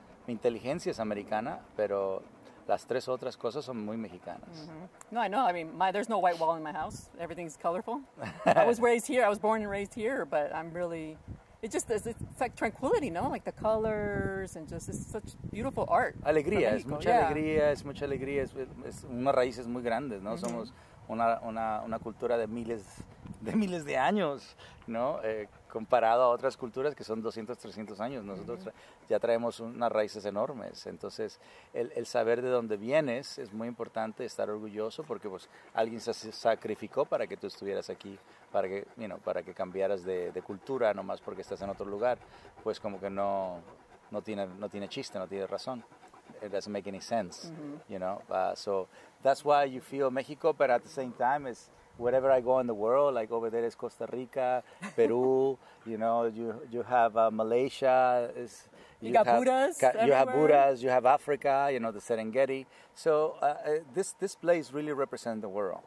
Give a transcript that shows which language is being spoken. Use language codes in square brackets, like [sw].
[es] Mi inteligencia es americana, pero las tres otras cosas son muy mexicanas. [en] Mm-hmm. No, I know. I mean, there's no white wall in my house. Everything's colorful. I was born and raised here, but I'm really... It's like tranquility, no? Like the colors and just, it's such beautiful art. [es] Alegría, es mucha alegría, es mucha alegría. Es unas raíces muy grandes, ¿no? Mm-hmm. Somos una cultura de miles, de miles de años, ¿no? Comparado a otras culturas que son 200, 300 años. Nosotros ya traemos unas raíces enormes. Entonces, el saber de dónde vienes es muy importante, estar orgulloso, porque pues alguien se sacrificó para que tú estuvieras aquí, para que, [en] you know, [es] para que cambiaras de cultura, nomás porque estás en otro lugar. Pues como que no tiene chiste, no tiene razón. [en] It doesn't make any sense, you know? So that's why you feel Mexico, but at the same time, it's wherever I go in the world, like over there is Costa Rica, Peru, you know, you have Malaysia. You have Buddhas, you have Africa, you know, the Serengeti. So this place really represents the world.